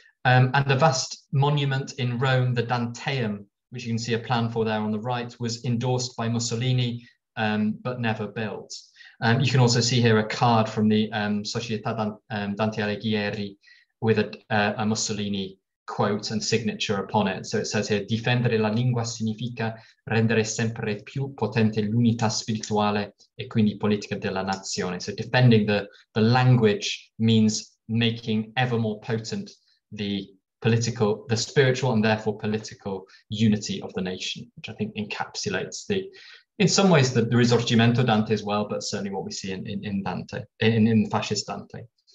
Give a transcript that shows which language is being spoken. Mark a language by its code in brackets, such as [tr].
[en] And the vast monument in Rome, the Danteum, which you can see a plan for there on the right, was endorsed by Mussolini, but never built. You can also see here a card from the Società Dante Alighieri with a Mussolini quote and signature upon it. So it says here, [it] difendere la lingua significa rendere sempre più potente l'unità spirituale e quindi politica della nazione. [en] So defending the language means making ever more potent the spiritual and therefore political unity of the nation, which I think encapsulates in some ways the Risorgimento Dante as well, but certainly what we see in fascist Dante.